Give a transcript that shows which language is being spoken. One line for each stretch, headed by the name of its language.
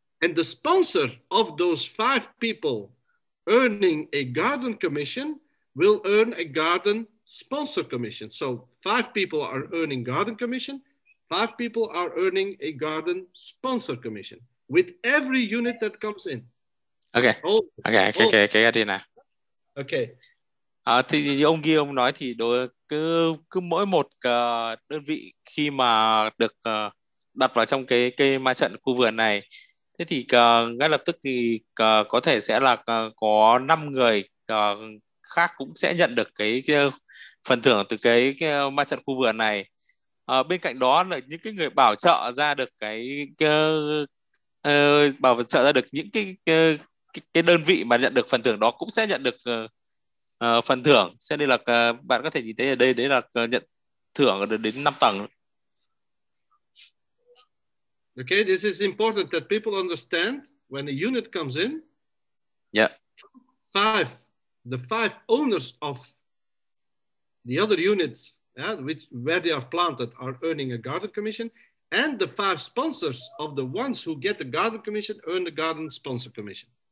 English: And the sponsor of those 5 people earning a garden commission will earn a garden sponsor commission. So 5 people are earning garden commission, 5 people are earning a garden sponsor commission with every unit that comes in. Okay. Okay, I get it now. Okay.
Vietnamese: Thì như ông ghi ông nói thì đối cứ cứ mỗi một đơn vị khi mà được đặt vào trong cái ma trận khu vườn này, thế thì ngay lập tức thì có thể sẽ là có 5 người khác cũng sẽ nhận được cái phần thưởng từ cái ma trận khu vườn này. Bên cạnh đó là những cái người bảo trợ ra được những cái đơn vị mà nhận được phần thưởng đó cũng sẽ nhận được phần thưởng. Cho nên là bạn có thể nhìn thấy ở đây đấy là nhận thưởng được đến 5 tầng.
English: Okay, this is important that people understand when a unit comes in. Yeah. The five owners of the other units, where they are planted, are earning a garden commission, and the 5 sponsors of the ones who get the garden commission earn the garden sponsor commission.